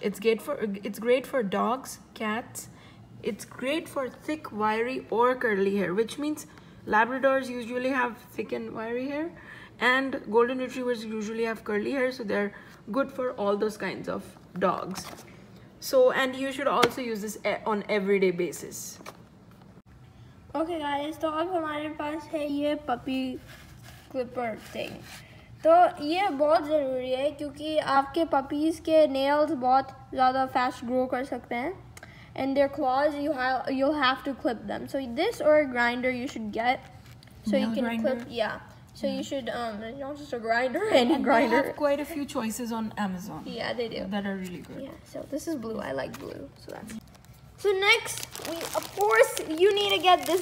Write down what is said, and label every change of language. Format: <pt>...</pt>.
<en>It's great for dogs, cats. It's great for thick, wiry or curly hair, which means Labradors usually have thick and wiry hair. And Golden Retrievers usually have curly hair, so they're good for all those kinds of dogs. So, and you should also use this on everyday basis. Okay guys,</en> <hi>तो अब हमारे पास है ये puppy clipper thing. तो ये बहुत ज़रूरी है क्योंकि आपके पपीज़ के nails बहुत ज़्यादा</hi> <en>fast grow</en> <hi>कर सकते हैं.</hi> <en>And their claws, you'll have to clip them. So this or a grinder you should get. So nail you can grinder. Clip, yeah. So you should, not just a grinder, any grinder. They have quite a few choices on Amazon. Yeah, they do. That are really good. Yeah, so this is blue. I like blue. So that's... So next, we of course, you need to get this.</en>